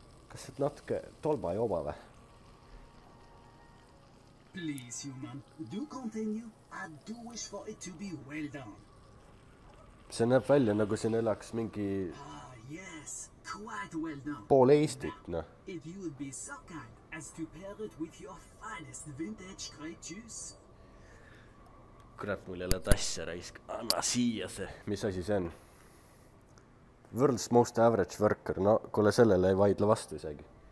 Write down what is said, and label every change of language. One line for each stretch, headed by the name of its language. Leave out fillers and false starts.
Estonian: Kas sa natuke tolma ei oma või?
English: Please, human, do continue. I do wish for it to be well done.
Estonian: See näeb välja, nagu siin elaks mingi
English: yes, quite well done.
Estonian: Pool Eestit, noh.
English: If you would be so kind as to pair it with your finest vintage grape juice.
Estonian: Kurat, mul ei ole tasse raisk. Anna siia see. Mis asi see on?
English: World's most average worker.
Estonian: No, kuule sellele ei vaidle vastu isegi.